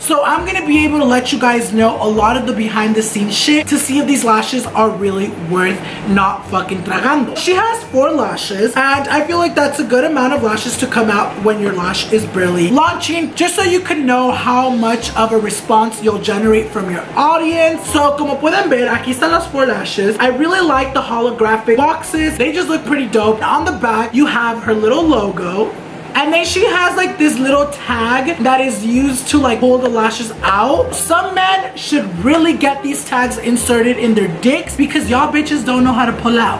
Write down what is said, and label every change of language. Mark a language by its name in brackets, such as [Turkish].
[English] So I'm gonna be able to let you guys know a lot of the behind the scenes shit to see if these lashes are really worth not fucking [Spanish] tragando. [English] She has four lashes and I feel like that's a good amount of lashes to come out when your lash is barely launching, just so you can know how much of a response you'll generate from your audience. [Spanish] So como pueden ver, aquí están las [English] four lashes. I really like the holographic boxes. They just look pretty dope. On the back, you have her little logo. And then she has like this little tag that is used to like pull the lashes out. Some men should really get these tags inserted in their dicks because y'all bitches don't know how to pull out.